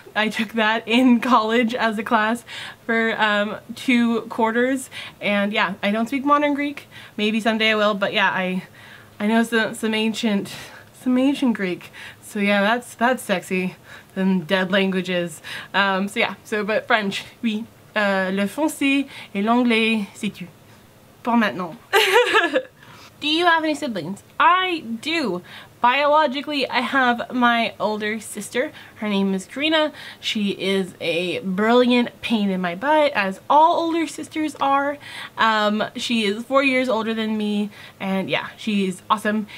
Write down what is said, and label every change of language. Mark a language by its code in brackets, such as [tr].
[en] I took that in college as a class for 2 quarters. And yeah, I don't speak modern Greek. Maybe someday I will, but yeah, I know some ancient Greek. So yeah, that's sexy, them dead languages. So yeah, so but French, [fr] oui, le français et l'anglais, c'est tout. Pour maintenant. [en] Do you have any siblings? I do. Biologically, I have my older sister. Her name is Karina. She is a brilliant pain in my butt, as all older sisters are. She is 4 years older than me, and yeah, she's awesome.